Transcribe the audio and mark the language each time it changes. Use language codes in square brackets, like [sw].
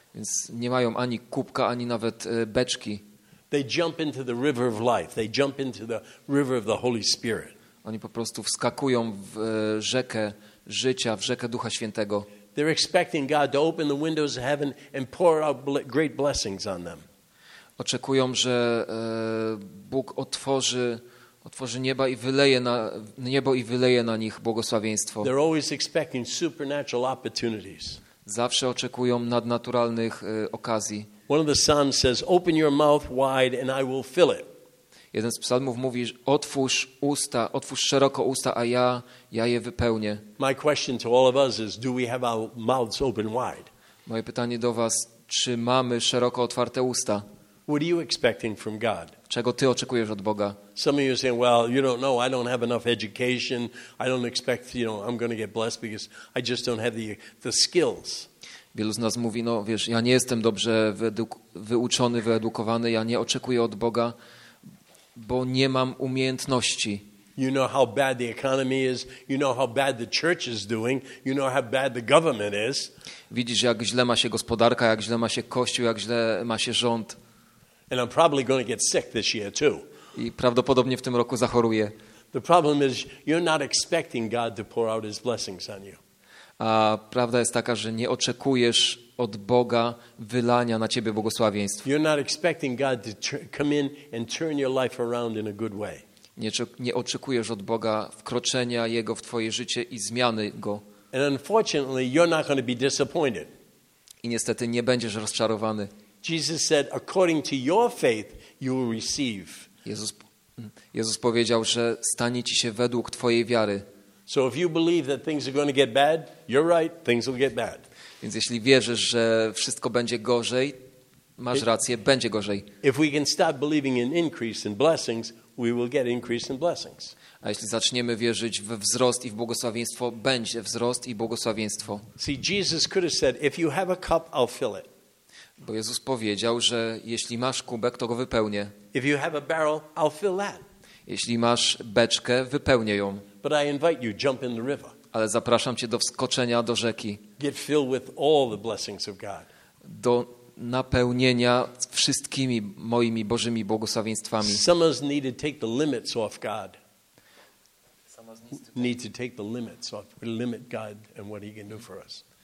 [pl] Więc nie mają ani kubka, ani nawet beczki. [en] They jump into the river of life. They jump into the river of the Holy Spirit. [pl] Oni po prostu wskakują w rzekę życia, w rzekę Ducha Świętego. [en] They're expecting God to open the windows of heaven and pour out great blessings on them. [pl] Oczekują, że Bóg otworzy nieba i wyleje na niebo i wyleje na nich błogosławieństwo. [en] They're always expecting supernatural opportunities. [pl] Zawsze oczekują nadnaturalnych okazji. [en] One of the psalms says, "Open your mouth wide and I will fill it." [pl] Jeden z psalmów mówi, otwórz szeroko usta, a ja je wypełnię. [en] My question to all of us is, do we have our mouths open wide? [pl] Moje pytanie do was, czy mamy szeroko otwarte usta? [en] What are you expecting from God? [pl] Czego ty oczekujesz od Boga? [en] Some of you say, well, you don't know, I don't have enough education, I don't expect, you know, I'm going to get blessed because I just don't have the skills. [pl] Wielu z nas mówi, no wiesz, ja nie jestem dobrze wyuczony, wyedukowany, ja nie oczekuję od Boga, bo nie mam umiejętności. [en] You know how bad the economy is, you know how bad the church is doing, you know how bad the government is. [pl] Widzisz, jak źle ma się gospodarka, jak źle ma się kościół, jak źle ma się rząd. [en] And I'm probably going to get sick this year too. [pl] I prawdopodobnie w tym roku zachoruję. [en] The problem is you're not expecting God to pour out his blessings on you. [pl] A prawda jest taka, że nie oczekujesz od Boga wylania na ciebie błogosławieństw. [en] You're not expecting God to come in and turn your life around in a good way. [pl] Nie oczekujesz od Boga wkroczenia Jego w twoje życie i zmiany Go. [en] And unfortunately, you're not going to be disappointed. [pl] I niestety nie będziesz rozczarowany. [en] Jesus said, according to your faith, you will receive. [pl] Jezus powiedział, że stanie ci się według twojej wiary. [en] So if you believe that things are going to get bad, you're right, things will get bad. [pl] Więc jeśli wierzysz, że wszystko będzie gorzej, masz rację, będzie gorzej. [en] If we can start believing in increase in blessings, we will get increase in blessings. [pl] A jeśli zaczniemy wierzyć w wzrost i w błogosławieństwo, będzie wzrost i błogosławieństwo. [en] See, Jesus could have said, if you have a cup, I'll fill it. [pl] Bo Jezus powiedział, że jeśli masz kubek, to go wypełnię. [en] If you have a barrel, I'll fill that. [pl] Jeśli masz beczkę, wypełnię ją. [en] But I invite you, jump in the river. [pl] Ale zapraszam cię do wskoczenia do rzeki. [en] Get filled with all the blessings of God. [pl] Do napełnienia wszystkimi moimi Bożymi błogosławieństwami. [en] Some of us need to take the limits off God. Need to take the limits off, limit God and what he can do for us.